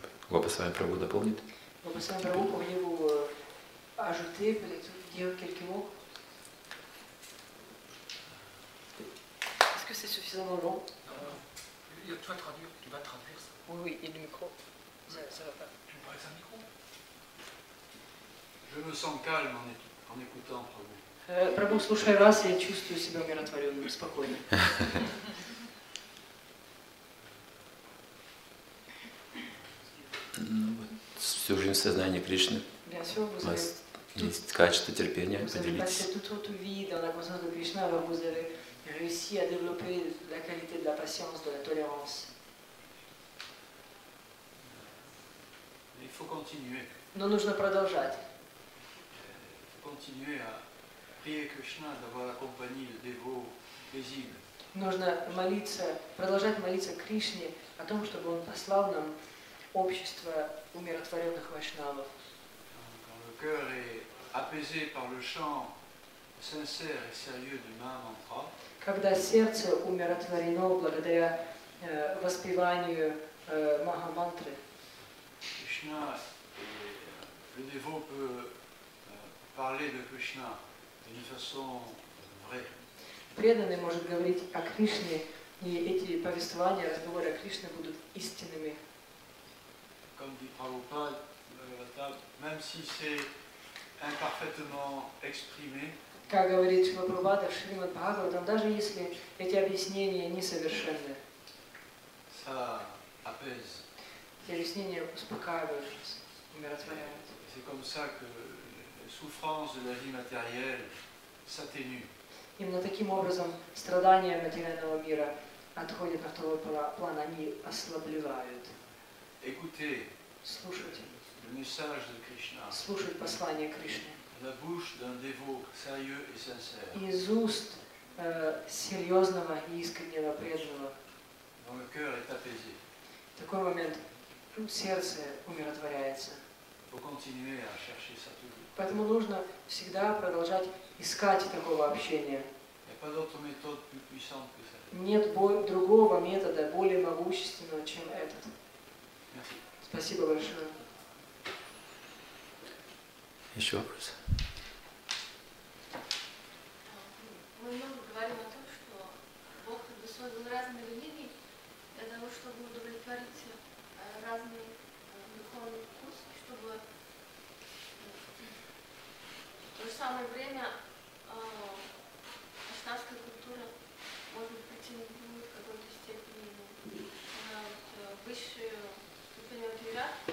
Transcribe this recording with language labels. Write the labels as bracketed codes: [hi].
[ru] Гопа с вами Прабху дополнит. Гопа с вами Прабху, помню его ажуте, поделать, делать какие-то мог. [fr] Est-ce que c'est suffisamment long? Non. Tu vas traduire, tu vas traduire ça. Oui, oui, il y a le micro. Ça va pas. Tu me prêtes un micro? Je me sens calme en écoutant Прабху. [ru] Прабху, слушая вас, я чувствую себя умиротворенным, спокойным. Всю жизнь в сознании Кришны. У вас есть качество терпения, поделитесь. [fr] Vous avez passé toute votre vie dans la conscience de Krishna, alors vous avez réussi à développer la qualité de la patience, de la tolérance. Il faut continuer. [ru] Но нужно продолжать. [fr] Il faut continuer à prier Krishna d'avoir la compagnie de dévots paisibles. [ru] Нужно молиться, продолжать молиться Кришне о том, чтобы он послал нам общество умиротворенных вайшнавов. [fr] Quand le cœur est apaisé par le chant sincère et sérieux du Mahamantra. [ru] Когда сердце умиротворено благодаря воспеванию Махамантры. Кришна [fr] le dévot peut parler de Krishna d'une façon vraie. [ru] Преданный может говорить о Кришне, и эти повествования, разговоры о Кришне будут истинными. [fr] Comme dit Prabhupada, même si c'est imparfaitement exprimé, [ru] как говорит Шрила Прабхупада, даже если эти объяснения несовершенны, [fr] ça apaise. [ru] Эти объяснения успокаивают, умиротворяют. [fr] C'est comme ça que les souffrances de la vie matérielle s'atténuent. [ru] Именно таким образом страдания материального мира отходят на второй план, они ослабевают. [fr] Écoutez, [ru] слушайте [fr] le message de Krishna. [ru] Слушать послание Кришны. [fr] La bouche d'un dévot sérieux et sincère. [ru] Из уст серьезного и искреннего преданного. [fr] Dont le cœur est apaisé. [ru] В такой момент сердце умиротворяется. [fr] Faut continuer à chercher ça. [ru] Поэтому нужно всегда продолжать искать такого общения. [fr] Il n'y a pas d'autre méthode plus puissante que ça. [ru] Нет другого метода более могущественного, чем этот. [fr] Merci. [ru] Спасибо большое. Еще вопрос. Мы много говорим о том, что Бог как бы создал разные религии для того, чтобы удовлетворить разные духовные вкусы, чтобы в то же самое время ашнавская культура может претендовать в какой-то степени на вот, высшую ступень от вера.